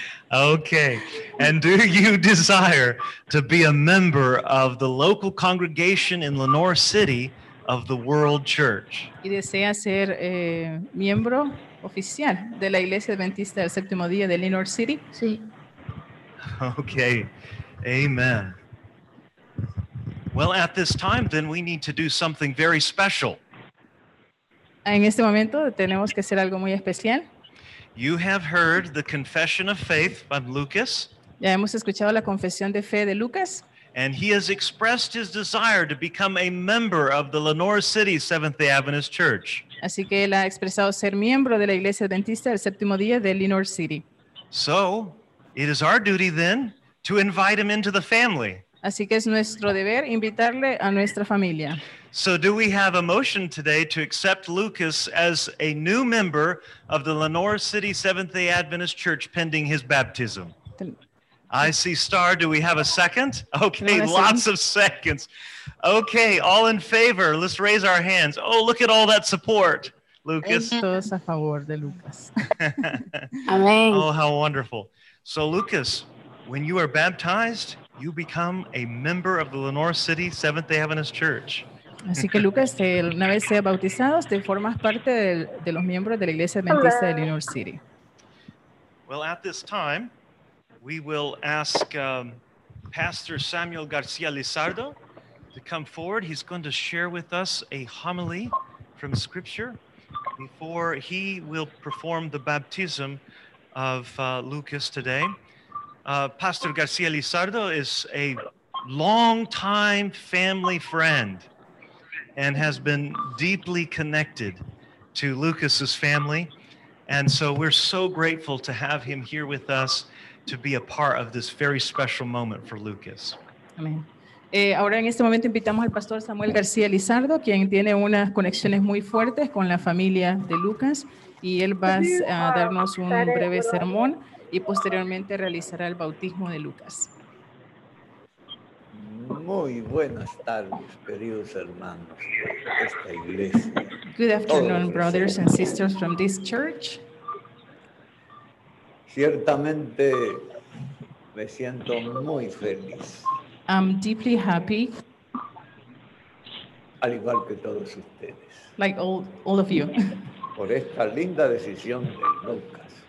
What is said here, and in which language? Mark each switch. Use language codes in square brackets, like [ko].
[en] Okay, and do you desire to be a member of the local congregation in Lenore City of the World Church. [es] Y desea ser miembro oficial de la Iglesia Adventista del Séptimo Día de Linear City. Sí. [en] Okay. Amen. Well, at this time, then we need to do something very special. [es] En este momento tenemos que hacer algo muy especial. [en] You have heard the confession of faith by Lucas. [es] Ya hemos escuchado la confesión de fe de Lucas. [en] And he has expressed his desire to become a member of the Lenore City Seventh-day Adventist Church. [es] Así que él ha expresado ser miembro de la Iglesia Adventista del Séptimo Día de Lenore City. [en] So, it is our duty then to invite him into the family. [es] Así que es nuestro deber invitarle a nuestra familia. [en] So do we have a motion today to accept Lucas as a new member of the Lenore City Seventh-day Adventist Church pending his baptism? I see Star. Do we have a second? Okay, lots of seconds. Okay, all in favor, let's raise our hands. Oh, look at all that support, Lucas. [es] Todos a favor de Lucas. [en] Amen. Oh, how wonderful. So Lucas, when you are baptized, you become a member of the Lenore City Seventh-day Adventist Church. [es] Así que Lucas, una vez sea bautizado, te formas parte de los miembros de la Iglesia Adventista de Lenore City. [en] Well, at this time, we will ask Pastor Samuel Garcia Lizardo to come forward. He's going to share with us a homily from Scripture before he will perform the baptism of Lucas today. Pastor Garcia Lizardo is a longtime family friend and has been deeply connected to Lucas's family. And so we're so grateful to have him here with us to be a part of this very special moment for Lucas. Amen. [es] Ahora en este momento invitamos al Pastor Samuel García Lizardo, quien tiene unas conexiones muy fuertes con la familia de Lucas, y él va a darnos un breve sermón y posteriormente realizará el bautismo de Lucas. Muy buenas tardes, queridos hermanos de esta iglesia. [en] Good afternoon, brothers and sisters from this church. [es] Ciertamente me siento muy feliz. [en] I'm deeply happy. [es] Al igual que todos ustedes. [en] Like all of you. [es] Por esta linda decisión de Lucas.